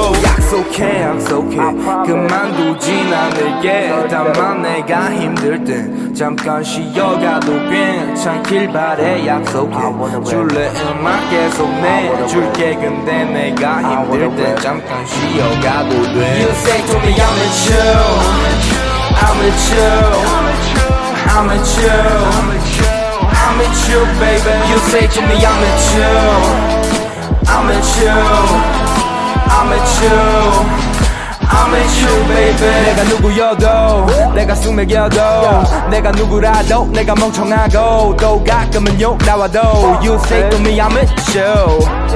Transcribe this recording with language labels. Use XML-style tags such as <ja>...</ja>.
<ko>약속해 약속해 그만두진 않을게. 다만 내가 힘들 땐 잠깐 쉬어가도 괜찮길 바래. 약속해 줄래 음악 계속 내줄게. 근데 내가 힘들 땐 잠깐 쉬어가도 돼.</ko> <en>You say to me I'm a chill, I'm a chill, I'm a chill, I'm a chill baby. You say to me I'm a chill, I'm a chill, I'm a chill, I'm a chill baby.</en> <ko>내가 누구여도 내가 숨맥여도 내가 누구라도 내가 멍청하고 또 가끔은 욕 나와도</ko> <en>You say to me I'm a chill,</en>